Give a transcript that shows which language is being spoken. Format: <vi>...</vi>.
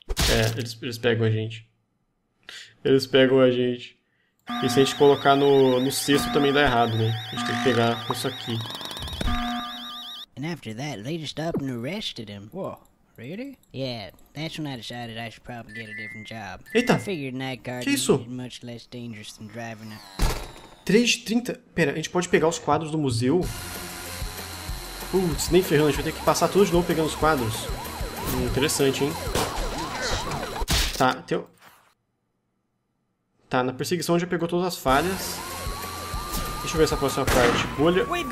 <pt>É, eles pegam a gente. Eles pegam a gente. E se a gente colocar no cesto também dá errado, né? A gente tem que pegar isso aqui.</pt> <en>And after that, they just up and arrested him. Whoa. Really? Yeah, that's when I decided I should probably get a different job.</en> <pt>Eita!</pt> <en>I figured night guarding is much less dangerous than driving a. 3:30?</en> <pt>Pera, a gente pode pegar os quadros do museu? Putz, nem ferrando, a gente vai ter que passar tudo de novo pegando os quadros. Interessante, hein? Tá, tem. Tá, na perseguição já pegou todas as falhas. Deixa eu ver essa próxima parte. Bolha.</pt>